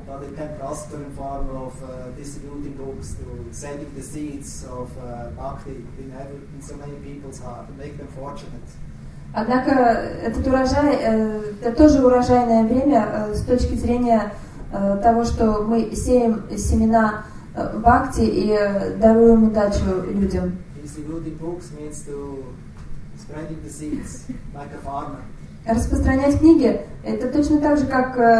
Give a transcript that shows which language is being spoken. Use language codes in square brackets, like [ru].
[en] But it can prosper in form of distributing books, to sending the seeds of bhakti in so many people's heart, to make them fortunate. [ru] Однако этот урожай, это тоже урожайное время с точки зрения того, что мы сеем семена бхакти и даруем удачу людям. [en] Distributing books means to spreading the seeds like a farmer. [ru] Распространять книги — это точно так же, как